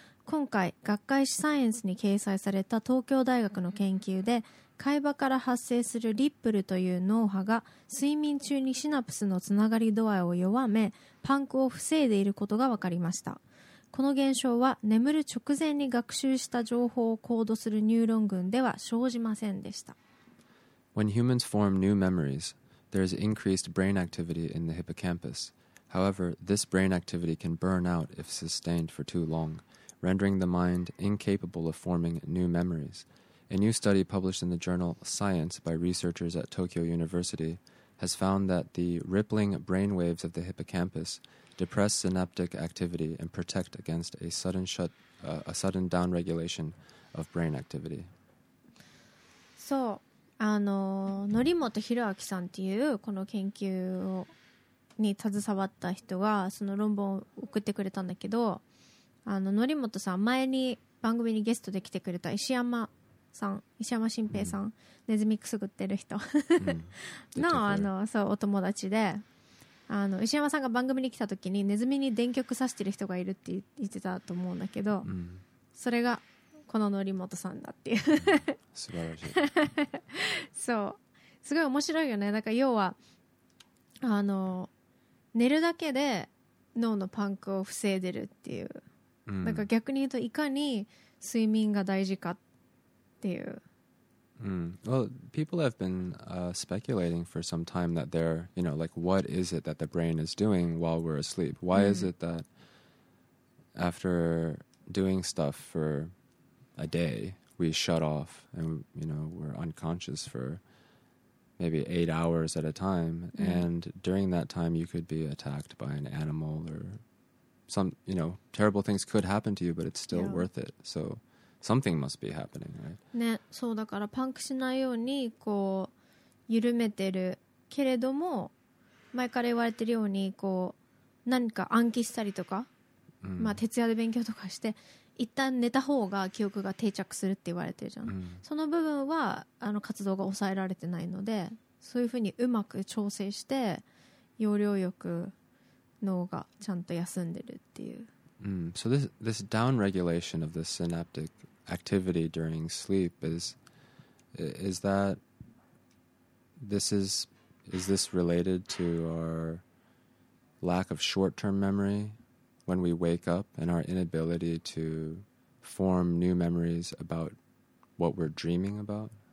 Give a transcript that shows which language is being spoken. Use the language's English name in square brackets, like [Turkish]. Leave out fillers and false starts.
[Japanese] 今回、学会誌サイエンスに掲載された東京大学の研究で、海馬から発生するリップルという脳波が睡眠中にシナプスのつながり度合いを弱め、パンクを防いでいることが分かりました。この現象は眠る直前に学習した情報をコードするニューロン群では生じませんでした。 [English] When humans form new memories, there is increased brain activity in the hippocampus. However, this brain activity can burn out if sustained for too long, rendering the mind incapable of forming new memories. A new study published in the journal Science by researchers at Tokyo University has found that the rippling brain waves of the hippocampus depress synaptic activity and protect against a sudden downregulation of brain activity. [Japanese] そう、則本博明さんっていうこの研究に携わった人がその論文を送ってくれたんだけど、則本さん前に番組にゲストで来てくれた石山さん、石山新平さん、うん、ネズミくすぐってる人、うん、の、そうお友達で、石山さんが番組に来た時にネズミに電極刺してる人がいるって言ってたと思うんだけど、うん、それがこの則本さんだっていう、うん、素晴らしいそう、すごい面白いよね。だから要は寝るだけで脳のパンクを防いでるっていう、うん、だから逆に言うといかに睡眠が大事かっていう、 [English] うん、well, people have been speculating for some time that they're, you know, like, what is it that the brain is doing while we're asleep? Why、うん、is it that after doing stuff for a day, we shut off and, you know, we're unconscious for maybe 8 hours at a time?、うん、and during that time, you could be attacked by an animal or some, you know, terrible things could happen to you, but it's still、yeah. worth it. So... Something must be happening, right? [Japanese] ね、そうだからパンクしないようにこう緩めてるけれども、前から言われてるようにこう何か暗記したりとか、うん、まあ徹夜で勉強とかして一旦寝た方が記憶が定着するって言われてるじゃん、うん、その部分は活動が抑えられてないので、そういうふうにうまく調整して要領よく脳がちゃんと休んでるっていう。 Mm. [English] So this downregulation of the synaptic activity during sleep is this related to our lack of short-term memory when we wake up and our inability to form new memories about what we're dreaming about?